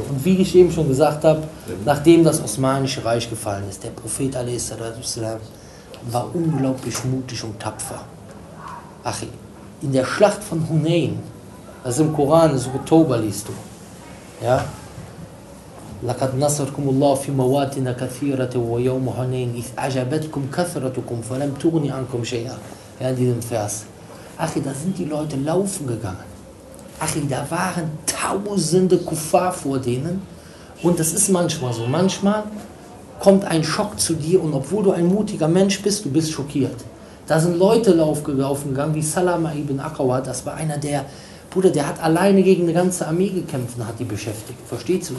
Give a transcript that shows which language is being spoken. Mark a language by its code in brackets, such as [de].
[de] Und wie ich eben schon gesagt habe, nachdem das Osmanische Reich gefallen ist, der Prophet, a.s.w., war unglaublich mutig und tapfer. Ach, in der Schlacht von Hunain, das ist im Koran, das ist Toba, liest du. Ja? [ar] لقد نصركم الله في مواطن كثيرة ويوم حنين إذ أعجبتكم كثرتكم فلم تغني عنكم شيئا. [de] Ja, in diesem Vers. Ach, da sind die Leute laufen gegangen. Ach, da waren tausende Kuffar vor denen. Und das ist manchmal so. Manchmal kommt ein Schock zu dir und obwohl du ein mutiger Mensch bist, du bist schockiert. Da sind Leute laufen gegangen, wie Salama ibn Akawa. Das war einer der, Bruder, der hat alleine gegen eine ganze Armee gekämpft und hat die beschäftigt. Versteht ihr?